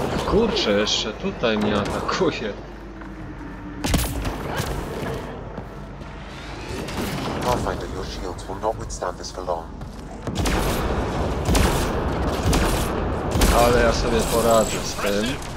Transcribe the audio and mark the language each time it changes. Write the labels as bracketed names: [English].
[Polish] Kurczę, jeszcze tutaj mnie atakuje. [English] Pathfinder, your shields will not withstand this for long. [Polish] Ale ja sobie poradzę z tym.